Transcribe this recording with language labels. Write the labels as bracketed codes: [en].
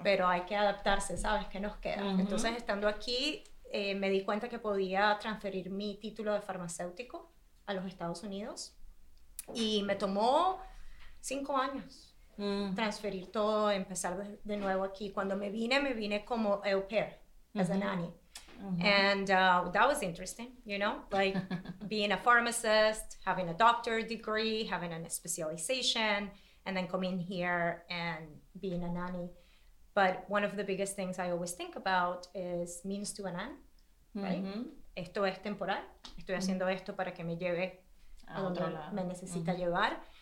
[es] Pero hay que adaptarse, ¿sabes? ¿Qué nos queda? Entonces, estando aquí, me di cuenta que podía transferir mi título de farmacéutico a los Estados Unidos. Y me tomó 5 años transferir todo, empezar de nuevo aquí. Cuando me vine como au pair, [en] as a nanny. And that was interesting, you know, like being a pharmacist, having a doctor degree, having a specialization, and then coming here and being a nanny. But one of the biggest things I always think about is means to an end, right? [es] Esto es temporal. Estoy haciendo esto para que me lleve a donde me necesita llevar.